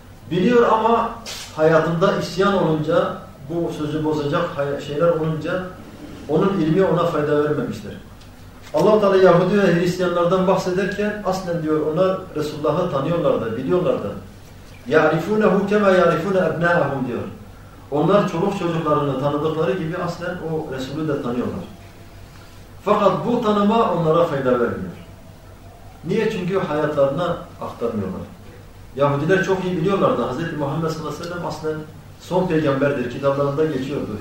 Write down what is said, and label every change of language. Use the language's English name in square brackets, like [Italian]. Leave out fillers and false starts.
[Turkish] Biliyor ama hayatında isyan olunca, bu sözü bozacak şeyler olunca onun ilmi ona fayda vermemiştir. Allah-u Teala Yahudi ve Hristiyanlardan bahsederken aslen diyor ona Resulullah'ı tanıyorlardı, biliyorlardı. [Arabic] يَعْرِفُونَهُ كَمَا يَعْرِفُونَ اَبْنَاهُمْ [Turkish] diyor. Onlar çoluk çocuklarını tanıdıkları gibi aslen o Resulü de tanıyorlar. Fakat bu tanıma onlara fayda vermiyor. Niye? Çünkü hayatlarına aktarmıyorlar. Yahudiler çok iyi biliyorlardı. Hazreti Muhammed sallallahu aleyhi ve sellem aslen son peygamberdir. Kitaplarında geçiyordu.